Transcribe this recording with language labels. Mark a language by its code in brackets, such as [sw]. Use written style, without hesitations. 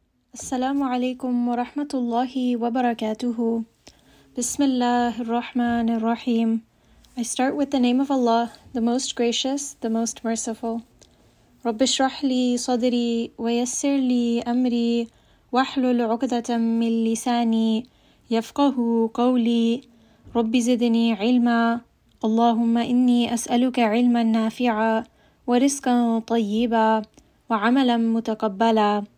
[ar] السلام عليكم ورحمة الله وبركاته. بسم الله الرحمن الرحيم. [en] I start with the name of Allah, the most gracious, the most merciful. [ar] رب اشرح لي صدري ويسر لي أمري واحلل عقدة من لساني يفقه قولي رب زدني علما. اللهم إني أسألك علما نافعا ورزقا طيبا وعملا متقبلا.